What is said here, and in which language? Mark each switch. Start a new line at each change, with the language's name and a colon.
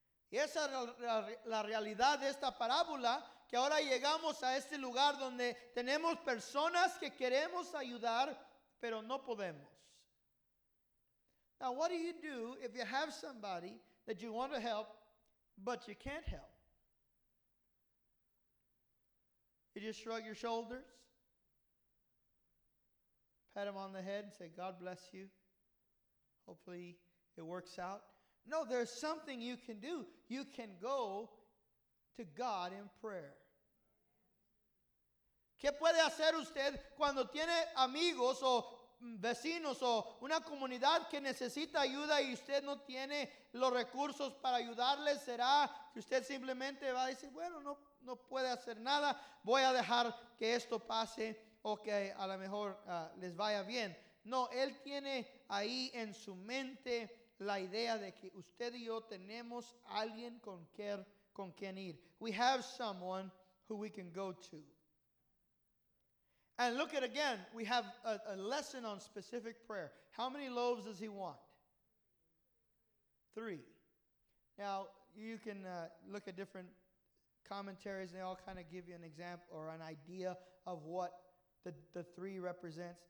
Spanish: Y esa es la realidad de esta parábola, que ahora llegamos a este lugar donde tenemos personas que queremos ayudar, pero no podemos.
English: Now, what do you do if you have somebody that you want to help, but you can't help? You just shrug your shoulders, pat them on the head, and say, God bless you. Hopefully it works out. No, there's something you can do. You can go to God in prayer.
Spanish: ¿Qué puede hacer usted cuando tiene amigos o vecinos o una comunidad que necesita ayuda y usted no tiene los recursos para ayudarles? ¿Será que usted simplemente va a decir, bueno, no puede hacer nada, voy a dejar que esto pase o que a lo mejor les vaya bien? No, él tiene ahí en su mente la idea de que usted y yo tenemos alguien con quien ir.
English: We have someone who we can go to. And look at again, we have a lesson on specific prayer. How many loaves does he want? 3. Now, you can look at different commentaries, and they all kind of give you an example or an idea of what the 3 represents.